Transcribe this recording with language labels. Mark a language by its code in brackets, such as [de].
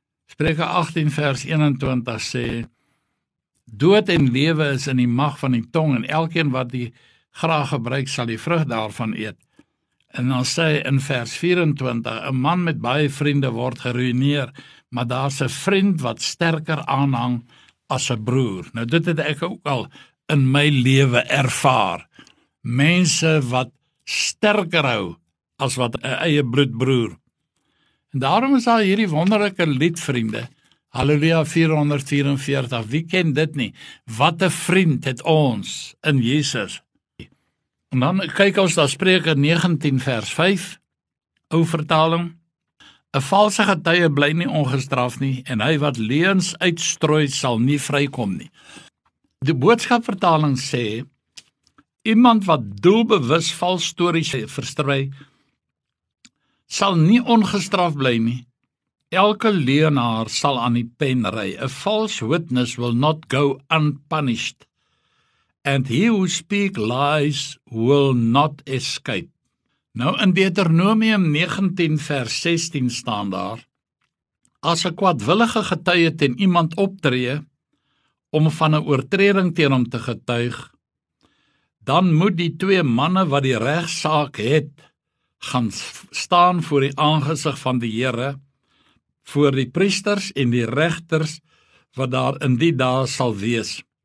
[af] Spreuke 18 vers 21 sê, dood en lewe is in die mag van die tong, en elkeen wat die graag gebruik sal die vrug daarvan eet. En dan sê hy in vers 24, 'n man met baie vriende word geruïneer, maar daar's 'n vriend wat sterker aanhang as 'n broer. Nou dit het ek ook al in my lewe ervaar. Mense wat sterker hou as wat 'n eie bloedbroer. En daarom is daar hierdie wonderlike lied, vriende. Halleluja 444, wie ken dit nie? Wat 'n vriend het ons in Jesus. En dan kyk ons na Spreuke 19 vers 5, ou vertaling. 'N valse getuie bly nie ongestraf nie, en hy wat leuns uitstrooi sal nie vrykom nie. Die boodskap vertaling sê, iemand wat doelbewus vals stories verstrooi, sal nie ongestraf bly nie. Elke leunaar sal aan die pen ry. 'N [en] false witness will not go unpunished. And he who speak lies will not escape. [af] Nou in Deuteronomium 19 vers 16 staan daar, as 'n kwaadwillige getuie teen iemand optree, om van 'n oortreding teen hom te getuig, dan moet die twee manne wat die regsaak het, gaan staan voor die aangesig van die Here, voor die priesters en die regters wat daar in die dae sal wees.